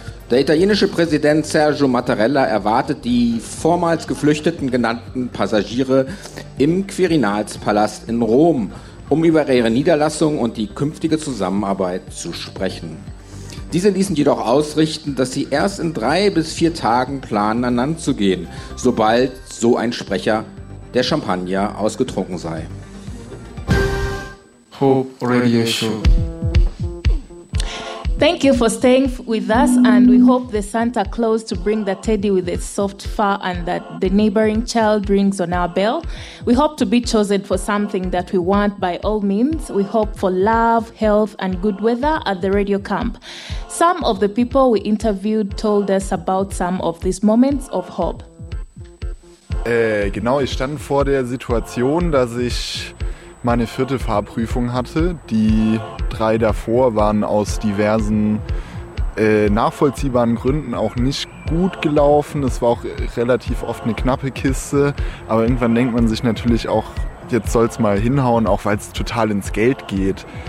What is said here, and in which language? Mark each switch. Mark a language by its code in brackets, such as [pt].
[de] Der italienische Präsident Sergio Mattarella erwartet die vormals geflüchteten genannten Passagiere im Quirinalspalast in Rom, um über ihre Niederlassung und die künftige Zusammenarbeit zu sprechen. Diese ließen jedoch ausrichten, dass sie erst in 3 bis 4 Tagen planen, an Land zu gehen, sobald so ein Sprecher der Champagner ausgetrunken sei. [en] Hope Radio Show. Thank you for staying with us, and we hope the Santa Claus to bring the teddy with its soft fur and that the neighboring child rings on our bell. We hope to be chosen for something that we want by all means. We hope for love, health, and good weather at the radio camp. Some of the people we interviewed told us about some of these moments of hope. [de] Genau, ich stand vor der Situation, dass ich meine 4. Fahrprüfung hatte. Die 3 davor waren aus diversen nachvollziehbaren Gründen auch nicht gut gelaufen. Es war auch relativ oft eine knappe Kiste. Aber irgendwann denkt man sich natürlich auch, jetzt soll es mal hinhauen, auch weil es total ins Geld geht.